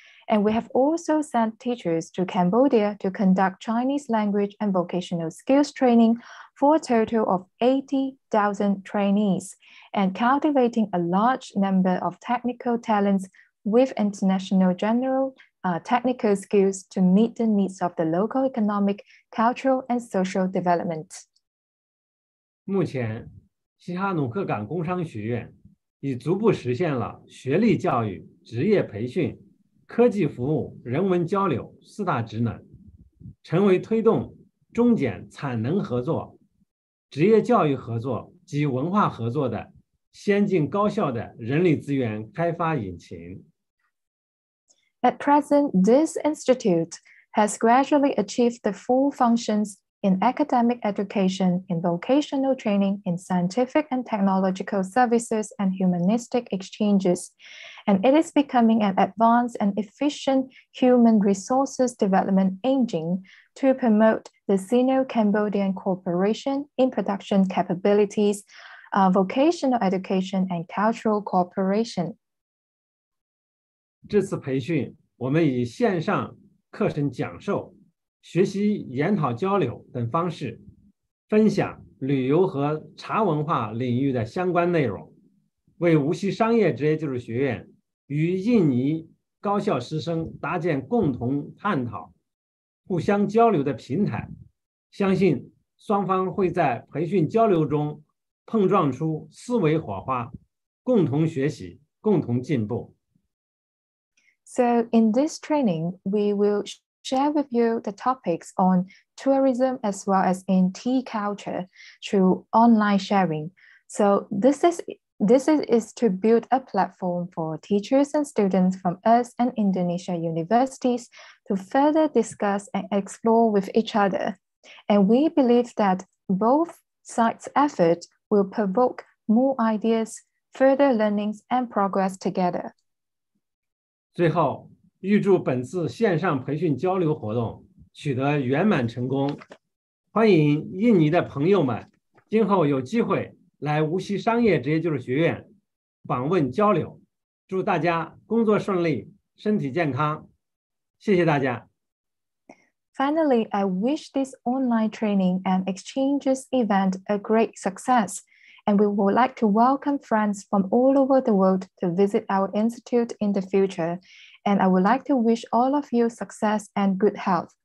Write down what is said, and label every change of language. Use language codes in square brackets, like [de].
[en] And we have also sent teachers to Cambodia to conduct Chinese language and vocational skills training for a total of 80,000 trainees and cultivating a large number of technical talents with international general technical skills to meet the needs of the local economic, cultural, and social development. [zh] 目前，西哈努克港工商学院已逐步实现了学历教育、职业培训、科技服务、人文交流四大职能，成为推动中柬产能合作、职业教育合作及文化合作的先进高效的人力资源开发引擎。 [en] At present, this institute has gradually achieved the full functions in academic education, in vocational training, in scientific and technological services and humanistic exchanges. And it is becoming an advanced and efficient human resources development engine to promote the Sino-Cambodian cooperation in production capabilities, vocational education and cultural cooperation. [zh] 这次培训我们以线上课程讲授、学习研讨交流等方式分享旅游和茶文化领域的相关内容，为无锡商业职业技术学院与印尼高校师生搭建共同探讨、互相交流的平台，相信双方会在培训交流中碰撞出思维火花，共同学习，共同进步。 [en] So in this training, we will share with you the topics on tourism as well as in tea culture through online sharing. So this is to build a platform for teachers and students from us and Indonesia universities to further discuss and explore with each other. And we believe that both sides' effort will provoke more ideas, further learnings and progress together. [zh] 最后，预祝本次线上培训交流活动取得圆满成功。欢迎印尼的朋友们今后有机会来无锡商业职业技术学院访问交流。祝大家工作顺利，身体健康。谢谢大家。 [en] Finally, I wish this online training and exchanges event a great success. And we would like to welcome friends from all over the world to visit our institute in the future. And I would like to wish all of you success and good health.